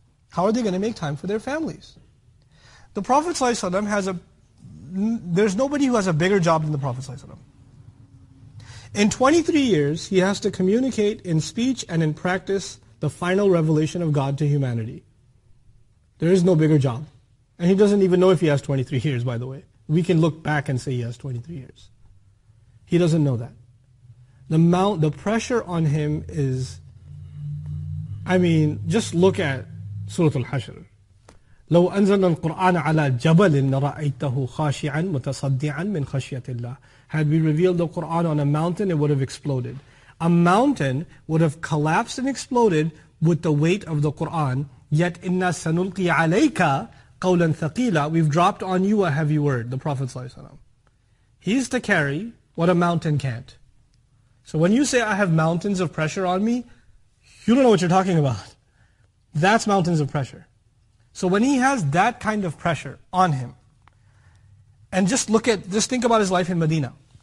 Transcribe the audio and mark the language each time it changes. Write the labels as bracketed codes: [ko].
[en] How are they going to make time for their families? The Prophet ﷺ has there's nobody who has a bigger job than the Prophet ﷺ. In 23 years, he has to communicate in speech and in practice the final revelation of God to humanity. There is no bigger job. And he doesn't even know if he has 23 years, by the way. We can look back and say he has 23 years. He doesn't know that. The pressure on him is, I mean, just look at Surah Al-Hashr. [ar] لو أنزلنا القرآن على جبل لرأيته خاشعا متصدعا من خشية الله. [en] Had we revealed the Quran on a mountain, it would have exploded. A mountain would have collapsed and exploded with the weight of the Quran. Yet [ar] إنا سنلقي عليك قولا ثقيلا. [en] We've dropped on you a heavy word, the Prophet ﷺ. He's to carry what a mountain can't. So when you say, I have mountains of pressure on me, you don't know what you're talking about. That's mountains of pressure. So when he has that kind of pressure on him, and just think about his life in Medina.